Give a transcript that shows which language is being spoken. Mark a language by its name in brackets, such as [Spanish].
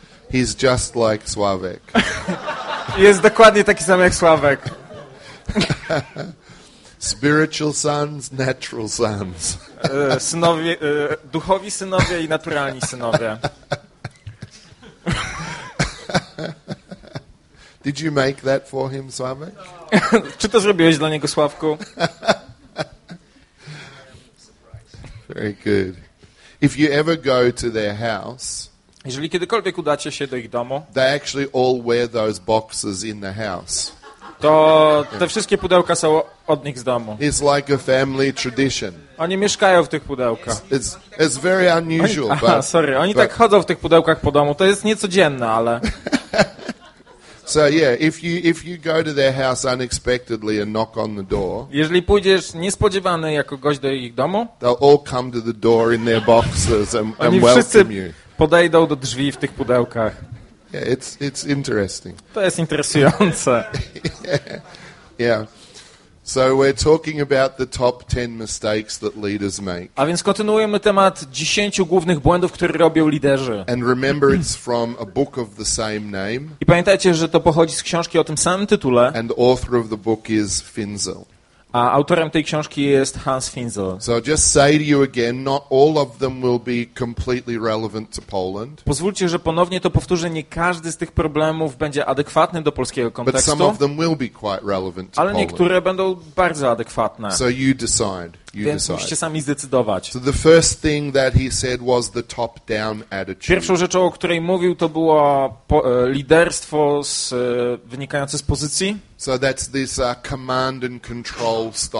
[English] He's just like Sławek. [Polish] Jest dokładnie taki sam jak Sławek. [English] Spiritual sons, natural sons. [Polish] Synowie, duchowi synowie i naturalni synowie. [English] Did you make that for him, Sławek? [Polish] Czy to zrobiłeś dla niego, Sławku? [English] Very good. If you ever go to their house, [Polish] jeżeli kiedykolwiek udacie się do ich domu, [English] they actually all wear those boxes in the house. [Polish] To te wszystkie pudełka są od nich z domu. [English] It's like a family tradition. [Polish] Oni mieszkają w tych pudełkach. [English] It's very unusual. [Polish] Oni, [English] but [Polish] tak chodzą w tych pudełkach po domu. To jest niecodzienne, ale. [English] So yeah, if you go to their house unexpectedly and knock on the door, [Polish] jeżeli pójdziesz niespodziewany jako gość do ich domu, [English] they'll all come to the door in their boxes and welcome you. [Polish] Oni wszyscy podejdą do drzwi w tych pudełkach. [English] Yeah, it's interesting. [Polish] To jest interesujące. [English] Yeah. So we're talking about the top 10 mistakes that leaders make. [Polish] A więc kontynuujemy temat 10 głównych błędów, które robią liderzy. [English] And remember, it's from a book of the same name. [Polish] I pamiętajcie, że to pochodzi z książki o tym samym tytule. [English] And the author of the book is Finzel. [Polish] A autorem tej książki jest Hans Finzel. [English] So just say to you again, not all of them will be completely relevant to Poland. [Polish] Pozwólcie, że ponownie to powtórzę, nie każdy z tych problemów będzie adekwatny do polskiego kontekstu. [English] But some of them will be quite relevant to [Polish] Poland. Ale niektóre będą bardzo adekwatne. [English] So you decide. [Polish] Więc musicie sami zdecydować. [English] So the first thing that he said was the top down attitude. [Polish] Pierwszą rzeczą, o której mówił, to było liderstwo wynikające z pozycji. [English] So that's this command and control style